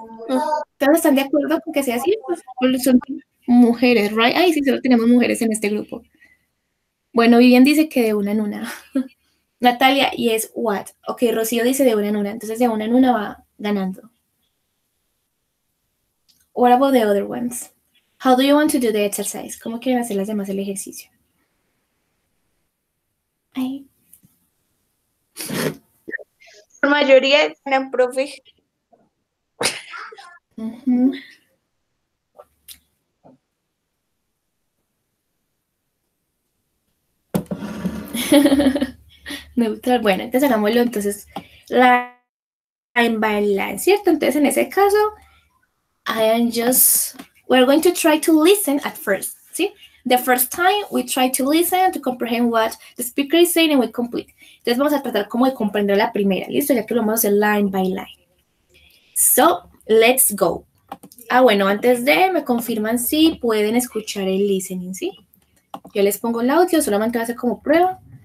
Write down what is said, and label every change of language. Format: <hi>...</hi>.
<es>¿Ustedes están de acuerdo con que sea así? Pues son mujeres,</es> <en>right?</en> <es>Ay, sí, solo tenemos mujeres en este grupo. Bueno, Vivian dice que de una en una. Natalia,</es> <en>yes, what?</en> <es>Ok, Rocío dice de una en una, entonces de una en una va ganando.</es> <en>What about the other ones? How do you want to do the exercise?</en> <es>¿Cómo quieren hacer las demás el ejercicio? Ahí. La mayoría ganan, profe. Neutral. Bueno, entonces hagámoslo. Entonces, la en bailar, ¿cierto? Entonces, en ese caso,</es> <en>I am just, we're going to try to listen at first,</en> <es>¿sí?</es> <en>The first time we try to listen to comprehend what the speaker is saying and we complete.</en> <es>Entonces vamos a tratar como de comprender la primera, ¿listo? Ya que lo vamos a hacer</es> <en>line by line. So, let's go.</en> <es>Ah, bueno, antes de, me confirman si pueden escuchar el listening, ¿sí? Yo les pongo el audio, solamente va a ser como prueba.</es>